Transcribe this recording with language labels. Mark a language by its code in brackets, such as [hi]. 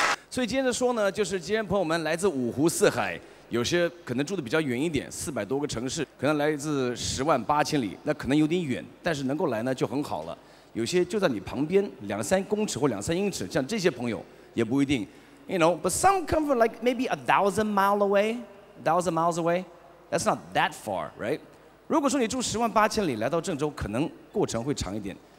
[zh] 所以接着说呢，就是今天朋友们来自五湖四海，有些可能住的比较远一点，400多个城市，可能来自108000里，那可能有点远，但是能够来呢就很好了。有些就在你旁边2-3公尺或2-3英尺，像这些朋友也不一定。 [en] You know, but some come from like maybe 1,000 miles away, 1,000 miles away. That's not that far, right? [zh] 如果说你住108000里来到郑州，可能过程会长一点。